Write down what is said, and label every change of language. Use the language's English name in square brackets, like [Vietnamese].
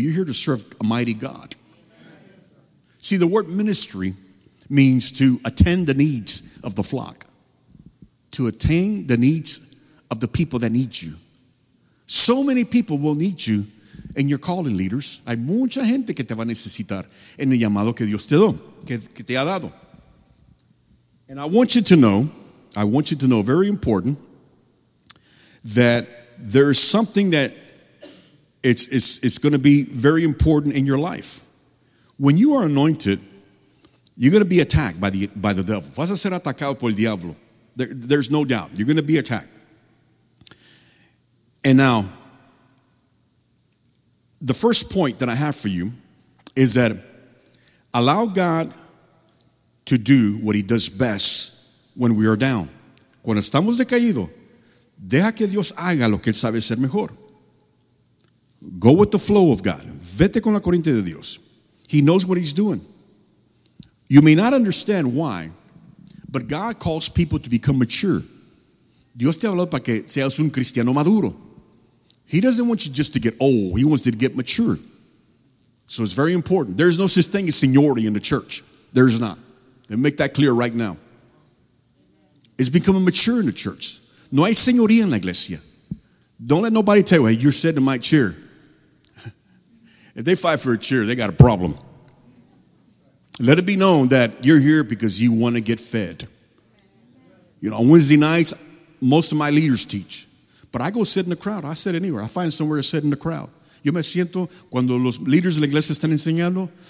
[English] You're here to serve a mighty God. See, the word ministry means to attend the needs of the flock, to attend the needs of the people that need you. So many people will need you in your calling, leaders. [Spanish] Hay mucha gente que te va a necesitar en el llamado que Dios te dio, que te ha dado. [English] And I want you to know, very important, that there's something that it's going to be very important in your life. When you are anointed, you're going to be attacked by the devil. [Spanish] Vas a ser atacado por el diablo. [English] There's no doubt. You're going to be attacked. And now, the first point that I have for you is that allow God to do what he does best when we are down. [Spanish] Cuando estamos decaídos, deja que Dios haga lo que él sabe hacer mejor. [English] Go with the flow of God. [Spanish] Vete con la corriente de Dios. [English] He knows what he's doing. You may not understand why, but God calls people to become mature. [Spanish] Dios te ha hablado para que seas un cristiano maduro. [English] He doesn't want you just to get old. He wants you to get mature. So it's very important. There's no such thing as seniority in the church. There's not. And make that clear right now. It's becoming mature in the church. [Spanish] No hay señoría en la iglesia. [English] Don't let nobody tell you, hey, you're sitting in my chair. If they fight for a chair, they got a problem. Let it be known that you're here because you want to get fed. You know, on Wednesday nights, most of my leaders teach. But I go sit in the crowd. I sit anywhere. I find somewhere to sit in the crowd. [Spanish] Yo me siento cuando los líderes de la iglesia están enseñando.